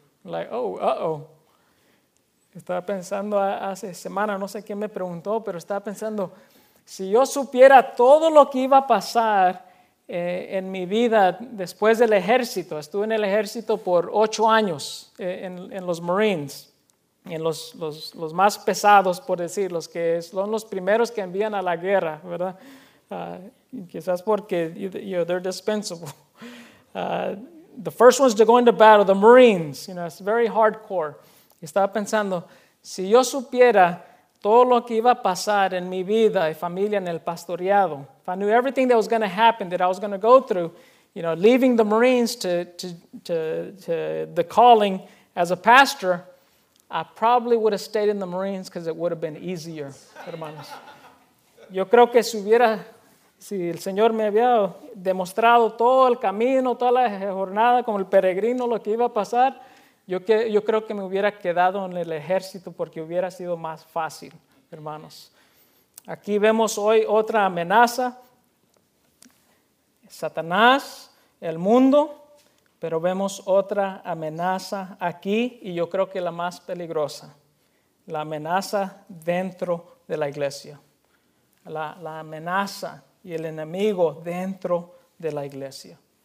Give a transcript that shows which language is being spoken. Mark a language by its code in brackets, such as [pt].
[es] Like, oh, uh-oh. Estaba pensando hace semana, no sé quién me preguntó, pero estaba pensando, si yo supiera todo lo que iba a pasar en mi vida después del ejército. Estuve en el ejército por 8 años en los Marines, en los más pesados, por decir, los que son los primeros que envían a la guerra, ¿verdad? Quizás porque [en] they're dispensable. The first ones to go into battle, the Marines, you know, it's very hardcore. [es] Y estaba pensando, si yo supiera todo lo que iba a pasar en mi vida y familia en el pastoreado, [en] if I knew everything that was going to happen, that I was going to go through, you know, leaving the Marines to the calling as a pastor, I probably would have stayed in the Marines because it would have been easier, hermanos. [es] Yo creo que si el Señor me había demostrado todo el camino, toda la jornada, como el peregrino, lo que iba a pasar, yo creo que me hubiera quedado en el ejército porque hubiera sido más fácil, hermanos. Aquí vemos hoy otra amenaza, Satanás, el mundo, pero vemos otra amenaza aquí y yo creo que la más peligrosa, la amenaza dentro de la iglesia, la amenaza y el enemigo dentro de la iglesia.